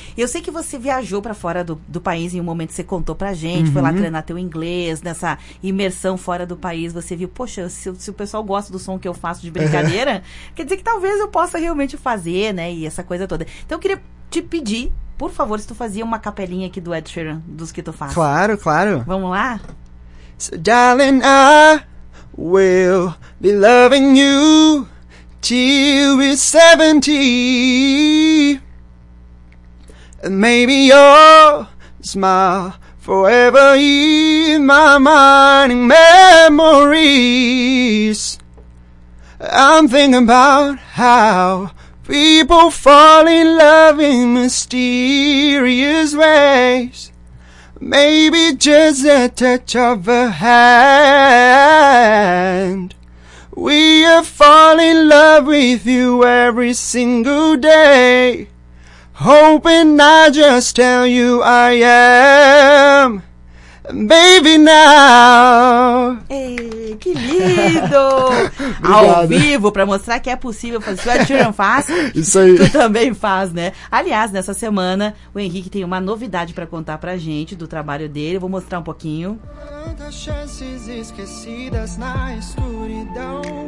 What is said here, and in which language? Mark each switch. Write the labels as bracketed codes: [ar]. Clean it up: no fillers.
[pt] Eu sei que você viajou para fora do país em um momento, você contou pra gente, foi lá treinar teu inglês, nessa imersão fora do país, você viu, poxa, se o pessoal gosta do som que eu faço de brincadeira, quer dizer que talvez eu possa realmente fazer, né, e essa coisa toda. Então, eu queria te pedir, por favor, se tu fazia uma capelinha aqui do Ed Sheeran, dos que tu faz. Claro, claro. Vamos lá? [en] So, darling, I will be loving you till we're 70. And maybe your smile forever in my mind in memories. I'm thinking about how people fall in love in mysterious ways. Maybe just a touch of a hand. We fall in love with you every single day. Hoping I just tell you I am. Baby now. [pt] Ei, que lindo! Ao vivo, pra mostrar que é possível fazer. Se o Ed Sheeran faz, isso aí. Tu também faz, né? Aliás, nessa semana, o Henrique tem uma novidade pra contar pra gente do trabalho dele. Eu vou mostrar um pouquinho. Quantas chances esquecidas na escuridão.